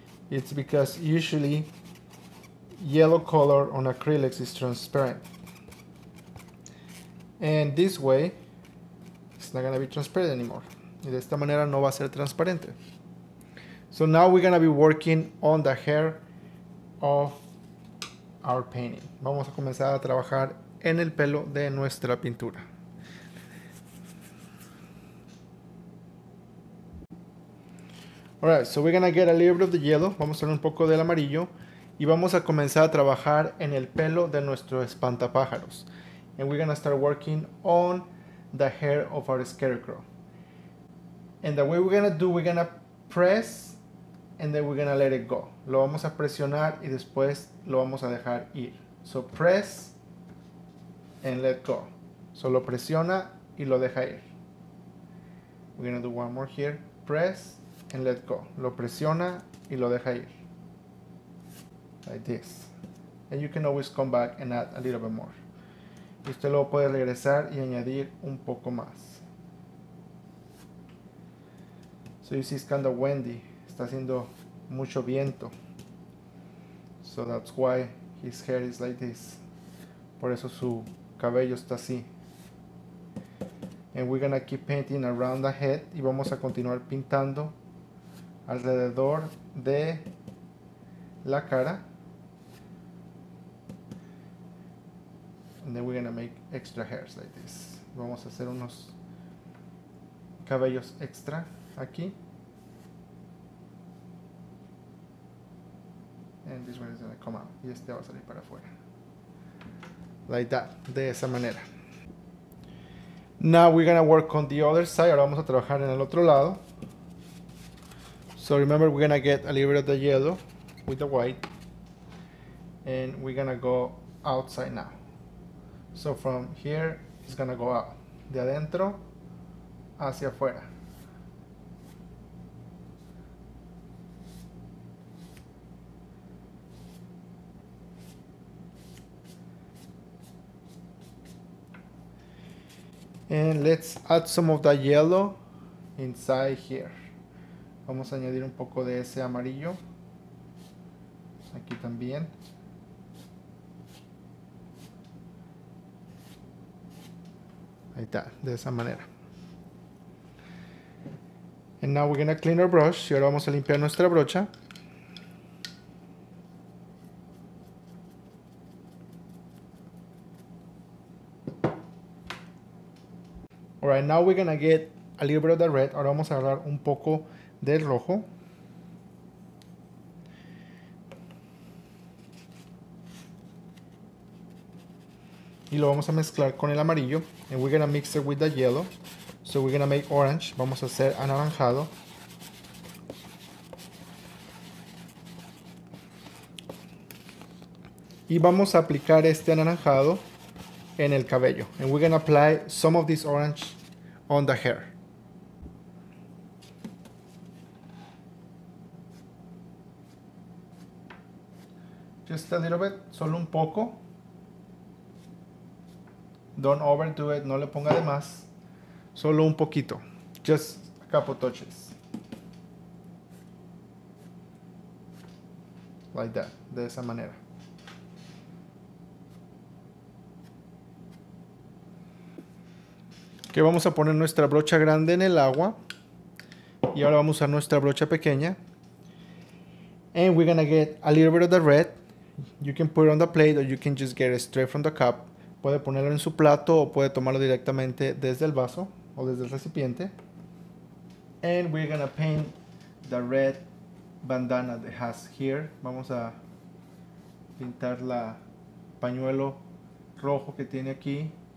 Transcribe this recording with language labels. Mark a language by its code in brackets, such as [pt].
[en] It's because usually yellow color on acrylics is transparent. And this way, it's not going to be transparent anymore. [es] Y de esta manera no va a ser transparente. [en] So now we're going to be working on the hair of our painting. [es] Vamos a comenzar a trabajar en el pelo de nuestra pintura. [en] Alright, so we're gonna get a little bit of the yellow. [es] Vamos a poner un poco del amarillo. Y vamos a comenzar a trabajar en el pelo de nuestro espantapájaros. [en] And we're gonna start working on the hair of our scarecrow. And the way we're gonna do, we're gonna press and then we're gonna let it go. [es] Lo vamos a presionar y después lo vamos a dejar ir. [en] So press and let go. So [es] lo presiona y lo deja ir. [en] We're gonna do one more here. Press and let go. [es] Lo presiona y lo deja ir. [en] Like this. And you can always come back and add a little bit more. [es] Y usted luego puede regresar y añadir un poco más. [en] So you see it's kind of windy. [es] Está haciendo mucho viento. [en] So that's why his hair is like this. [es] Por eso su cabello está así. [en] And we're gonna keep painting around the head. [es] Y vamos a continuar pintando alrededor de la cara. [en] And then we're gonna make extra hairs like this. [es] Vamos a hacer unos cabellos extra aquí. [en] And this one is gonna come out. [es] Y este va a salir para afuera. [en] Like that. [es] De esa manera. [en] Now we're gonna work on the other side. [es] Ahora vamos a trabajar en el otro lado. [en] So remember, we're gonna get a little bit of the yellow with the white, and we're gonna go outside now. So from here, it's gonna go out, [es] de adentro hacia afuera. [en] And let's add some of the yellow inside here. [es] Vamos a añadir un poco de ese amarillo aquí también. Ahí está, de esa manera. [en] And now we're gonna clean our brush. [es] Y ahora vamos a limpiar nuestra brocha. [en] Alright, now we're gonna get a little bit of the red. [es] Ahora vamos a agarrar un poco del rojo. y lo vamos a mezclar con el amarillo. [en] And we're gonna mix it with the yellow. So we're gonna make orange. [es] Vamos a hacer anaranjado. Y vamos a aplicar este anaranjado en el cabello. [en] And we're gonna apply some of this orange on the hair. Just a little bit, [es] solo un poco. [en] Don't overdo it, [es] no le ponga de más. Solo un poquito. [en] Just a couple touches. Like that, [es] de esa manera. Que vamos a poner nuestra brocha grande en el agua. Y ahora vamos a usar nuestra brocha pequeña. [en] And we're gonna get a little bit of the red. You can put it on the plate or you can just get it straight from the cup. [es] Puede ponerlo en su plato o puede tomarlo directamente desde el vaso o desde el recipiente. [en] And we're gonna paint the red bandana that has here. [es] Vamos a pintar la pañuelo rojo que tiene aquí.